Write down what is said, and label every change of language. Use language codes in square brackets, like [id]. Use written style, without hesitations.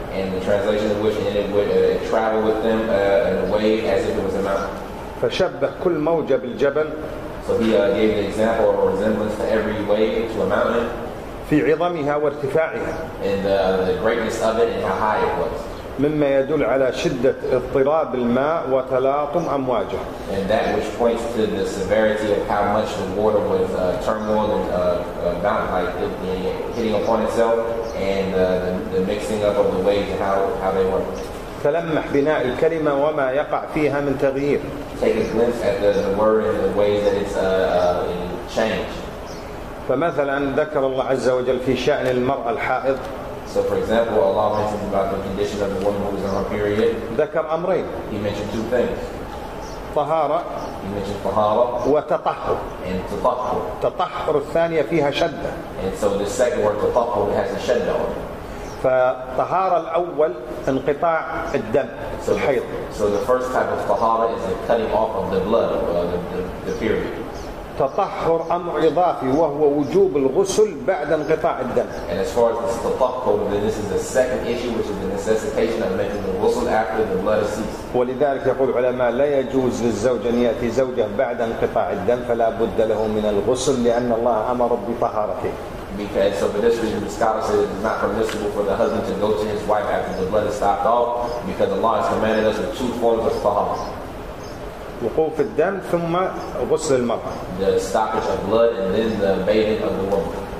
[en] And the translation of which it would travel with them in a way as if it was a mountain. [ar] فشبه كل موجة بالجبل. [en] So he gave an example or resemblance to every wave to a mountain. [ar] في عظمها وارتفاعها. [en] In the greatness of it and how high it was. [ar] مما يدل على شدة اضطراب الماء وتلاطم أمواجه. [en] And that which points to the severity of how much the water was turmoil and mountain like hitting upon itself and the mixing up of the waves and how they were. [ar] تلمح بناء الكلمة وما يقع فيها من تغيير. [en] Take a glimpse at the word and the way that it's changed. [ar] فمثلا ذكر الله عز وجل في شأن المرأة الحائض. [en] So for example, Allah mentioned about the condition of the woman who was in her period. [ar] ذكر أمرين. [en] He mentioned two things. [ar] طهارة. [en] He mentioned طهارة. [ar] وتطهر. [en] And تطهر. [ar] تطهر الثانية فيها شدة. [en] And so the second word تطهر has a shadda on it. [ar] فطهارة الأول انقطاع الدم الحيض. [en] So the first type of tahara is the cutting off of the blood, the period. [ar] تطهر أمر إضافي وهو وجوب الغسل بعد انقطاع الدم. [en] And as far as the tatahur, then this is the second issue, which is the necessitation of making the ghusl after the blood has ceased. [ar] ولذلك يقول العلماء لا يجوز للزوج أن يأتي زوجه بعد انقطاع الدم فلا بد له من الغسل لأن الله أمر بطهارته. [en] Because so for this reason, the scholar says it is not permissible for the husband to go to his wife after the blood is stopped off, because Allah has commanded us with two forms of tahara. [ar] وقوف الدم ثم غسل المرأة. [en] The stoppage of blood and then the bathing of the woman.